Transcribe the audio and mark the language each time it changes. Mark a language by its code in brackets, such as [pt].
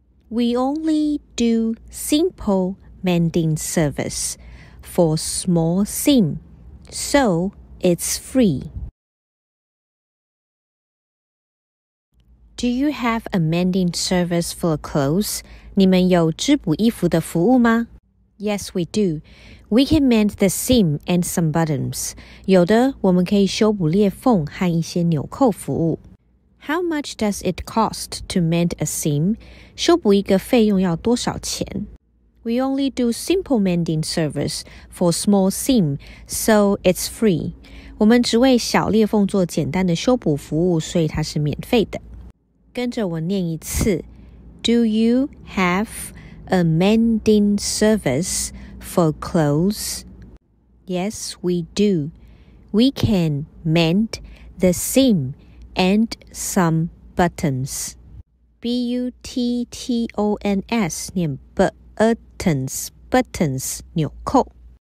[en] We only do simple mending service for small seam, so it's free. Do you have a mending service for clothes? [zh] 你们有织补衣服的服务吗？ [en] Yes, we do. We can mend the seam and some buttons. [zh] 有的，我们可以修补裂缝和一些纽扣服务。 [en] How much does it cost to mend a seam? [zh] 修补一个费用要多少钱? [en] We only do simple mending service for small seam, so it's free. [zh] 我们只为小裂缝做简单的修补服务，所以它是免费的。跟着我念一次。 [en] Do you have a mending service for clothes? Yes, we do. We can mend the seam. And some buttons. B-U-T-T-O-N-S, 念 buttons, buttons, 纽扣。